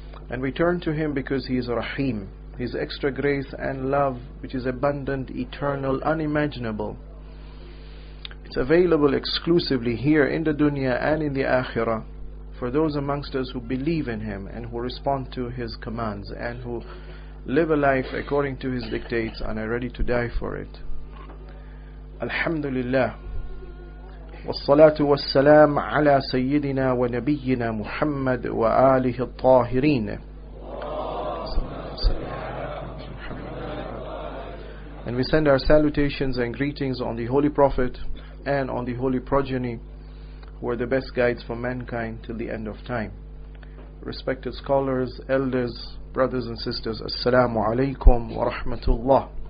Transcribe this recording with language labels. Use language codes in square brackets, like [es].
[en] And we turn to Him because He is Rahim. His extra grace and love, which is abundant, eternal, unimaginable, it's available exclusively here in the dunya and in the akhirah for those amongst us who believe in Him and who respond to His commands and who live a life according to His dictates and are ready to die for it. Alhamdulillah. [ar] والصلاة والسلام على سيدنا ونبينا محمد وآله الطاهرين. [en] And we send our salutations and greetings on the Holy Prophet and on the Holy Progeny, who are the best guides for mankind till the end of time. Respected scholars, elders, brothers and sisters, Assalamu alaikum wa rahmatullah.